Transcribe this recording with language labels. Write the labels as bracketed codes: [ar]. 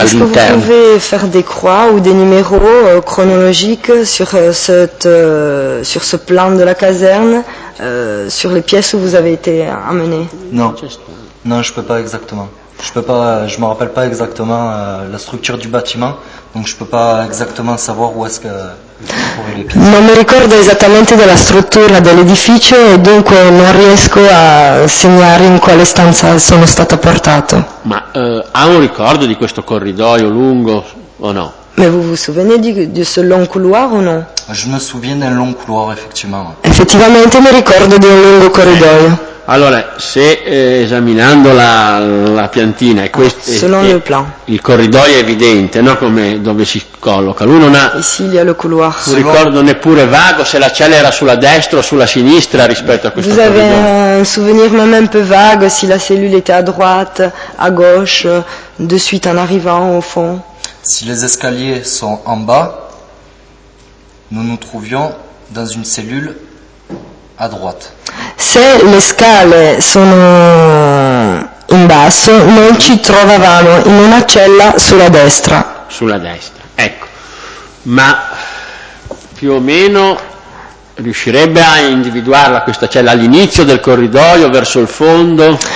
[fr] Est-ce que vous pouvez faire des croix ou des numéros chronologiques sur ce plan de la caserne, sur les pièces où vous avez été amené? Non, je peux pas exactement. Je me rappelle pas exactement la structure du bâtiment, donc je peux pas exactement savoir où est-ce que [it] non mi ricordo esattamente della struttura dell'edificio e dunque non riesco a segnare in quale stanza sono stato portato. Ma ha un ricordo di questo corridoio lungo o no? [fr] Mais vous vous souvenez de ce long couloir ou non? Je me souviens d'un long couloir effectivement. [it] Effettivamente mi ricordo di un lungo corridoio. Allora, se esaminando la piantina, il corridoio è evidente, no? Come dove si colloca. Lui non ha un ricordo neppure vago se la cella era sulla destra o sulla sinistra rispetto a questo corridoio. [fr] Vous avez un souvenir même un peu vague si la cellule était à droite, à gauche, de suite en arrivant au fond. Si les escaliers sont en bas, nous nous trouvions dans une cellule à droite. [it] Se le scale sono in basso, noi ci trovavamo in una cella sulla destra. Sulla destra, ecco. Ma più o meno riuscirebbe a individuarla questa cella all'inizio del corridoio, verso il fondo?